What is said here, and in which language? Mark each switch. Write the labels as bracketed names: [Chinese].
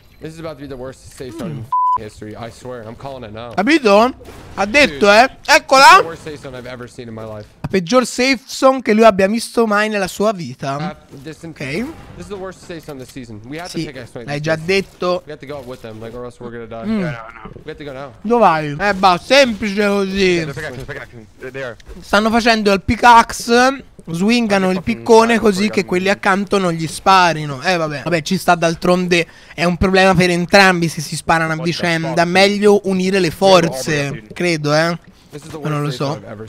[English] This is about to be the worst safe zone in history. I swear, I'm calling it now. [Italian] Capito? Ha detto, dude, eh? Eccola! [English] The worst safe zone I've ever seen in my life. [Italian] La peggior safe zone che lui abbia visto mai nella sua vita. Ok. [English] This is the worst safe zone this season. We have to pick a safe. [Italian] L'hai già detto. [English] We have to go with them, like, or else we're gonna die. Mm. Yeah, no, no. We have to go now. [Italian] Dove vai? Bah, semplice così. [English] Yeah, pick action. [Italian] Stanno facendo il pickaxe. Swingano il piccone così che quelli accanto non gli sparino. Vabbè, ci sta, d'altronde è un problema per entrambi se si sparano a vicenda. Meglio unire le forze, credo, eh. Ma non lo so.